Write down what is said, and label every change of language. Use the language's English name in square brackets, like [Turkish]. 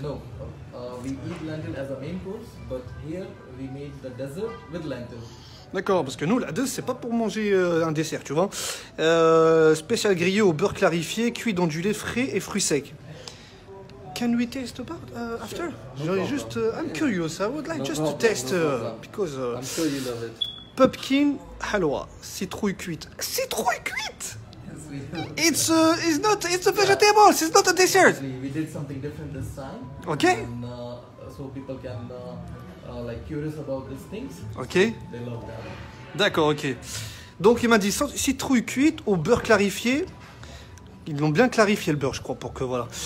[English] No, we eat lentille as a main course, but here we made the dessert with lentille. [French] D'accord, parce que nous, la dose, c'est pas pour manger un dessert, tu vois. Spécial grillé au beurre clarifié, cuit dans du lait frais et fruits secs. [English] Can we taste about after? Sure. No just, I'm yeah. curious. I would like no just problem. To test no because I'm sure you love it. [French] Pumpkin halwa, citrouille cuite. Citrouille cuite? [English] Yes, we have. It's it's not it's a vegetable. Yeah. It's not a dessert. Obviously, we did something different this time. Okay. And, so people can like curious about these things. Okay. So they love that. [French] D'accord. Okay. Donc il m'a dit citrouille cuite au beurre clarifié. Ils l'ont bien clarifié le beurre, je crois, pour que voilà.